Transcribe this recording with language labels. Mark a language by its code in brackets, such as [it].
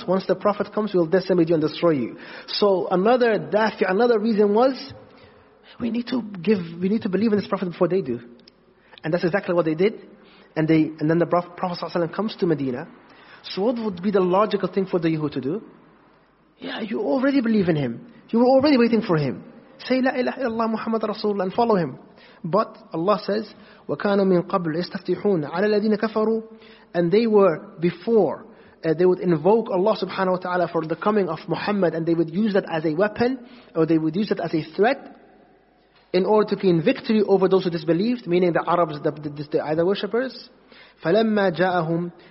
[en] Once the Prophet comes, we'll decimate you and destroy you. So another reason was, we need to believe in this Prophet before they do. And that's exactly what they did. And then the Prophet ﷺ comes to Medina. So what would be the logical thing for the Yahud to do? Yeah, you already believe in him. You were already waiting for him. Say, La ilaha illallah Muhammad Rasulullah, and follow him. [ar] But Allah says, وَكَانُوا مِنْ قَبْلُ يَسْتَفْتِحُونَ عَلَى الَّذِينَ كَفَرُوا. [en] And they were before, they would invoke Allah subhanahu wa ta'ala for the coming of Muhammad, and they would use that as a weapon, or they would use that as a threat, in order to gain victory over those who disbelieved, meaning the Arabs, the idol worshippers. [ar] فَلَمَّا جَاءَهُمْ.